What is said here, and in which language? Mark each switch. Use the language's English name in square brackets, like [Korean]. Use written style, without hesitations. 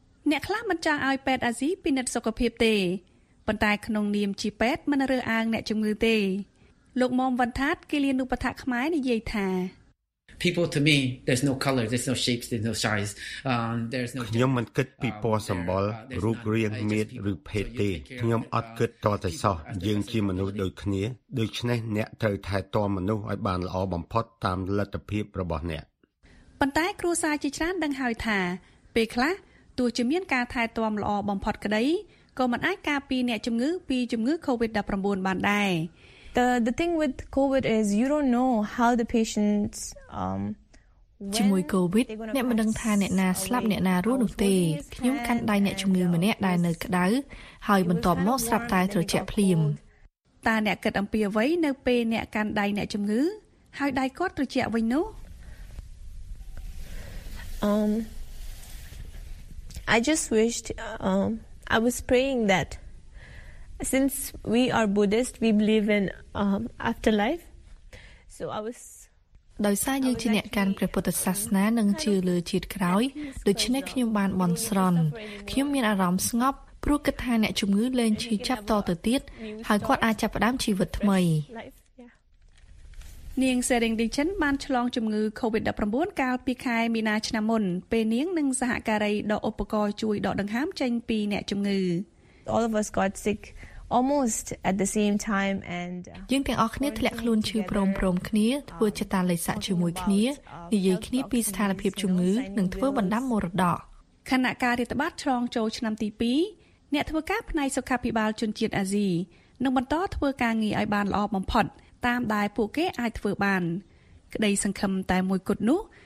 [Khmer] អ្នកខ្លះមិនចង់ឲ្យពេទ្យអាស៊ីពិនិត្យសុខភាពទេប៉ុន្តែក្នុងនាមជាពេទ្យមិនរើសអើងអ្នកជំងឺទេលោកមុំវណ្ធាតគិលានុបដ្ឋាកខ្មែរនិយាយថា [English] People to me there's no color there's no shapes there's no size there's no [Khmer] ខ្ញុំមិនគិតពីពណ៌សម្បុររូបរាងមាឌឬភេទទេខ្ញុំអត់គិតតតែសោះយើងជាមនុស្សដូចគ្នាដូច្នេះអ្នកត្រូវថែទាំមនុស្សឲ្យបានល្អបំផុតតាមលទ្ធភាពរបស់អ្នក ប៉ុន្តែគ្រូសាស្ត្រជាច្រើនដឹងហើយថាពេលខ្លះទោះជាមានការថែទាំល្អបំផុតក្តីក៏មិនអាចការពារអ្នកជំងឺពីជំងឺ COVID-19 បានដែរ [English] The thing with COVID is you don't know how the patients [Khmer] ជាមួយ COVID អ្នកមិនដឹងថាអ្នកណាស្លាប់អ្នកណារស់នោះទេខ្ញុំកាន់ដៃអ្នកជំងឺម្នាក់ដែលនៅក្តៅហើយបន្ទាប់មកស្រាប់តែត្រជាក់ភ្លាមតាអ្នកគិតអំពីអ្វីនៅពេលអ្នកកាន់ដៃអ្នកជំងឺហើយដៃគាត់ត្រជាក់វិញនោះ [English] I just wished I was praying thatSince we are Buddhist we believe in afterlife so I was [Khmer] ដោយសារយើងជាអ្នកកាន់ព្រះពុទ្ធសាសនានិងជឿលើជាតិក្រោយដូច្នេះខ្ញុំបានបន់ស្រន់ខ្ញុំមានអារម្មណ៍ស្ងប់ព្រោះគិតថាអ្នកជំងឺលែងជាចាប់តទៅទៀតហើយគាត់អាចចាប់ផ្ដើមជីវិតថ្មីនាងសេរីងឌីឈិនបានឆ្លងជំងឺ COVID-19 កាលពីខែមីនាឆ្នាំមុនពេលនាងនិងសហការីដកឧបករណ៍ជួយដកដង្ហើមចេញពីអ្នកជំងឺ [English] All of us got sick almost at the same time and [Khmer] យើងទាំងអស់គ្នាធ្លាក់ខ្លួនឈឺព្រមព្រមគ្នាធ្វើចិត្តាលិខិតជាមួយគ្នានិយាយគ្នាពីស្ថានភាពជំងឺនិងធ្វើបណ្ដាំមរតកគណៈការរដ្ឋបាលឆ្លងចូលឆ្នាំទី2អ្នកធ្វើការផ្នែកសុខាភិបាលជនជាតិអាស៊ីនឹងបន្តធ្វើការងារឲ្យបានល្អបំផុតតាមដែលពួកគេអាចធ្វើបានក្តីសង្ឃឹមតែមួយគត់នោះ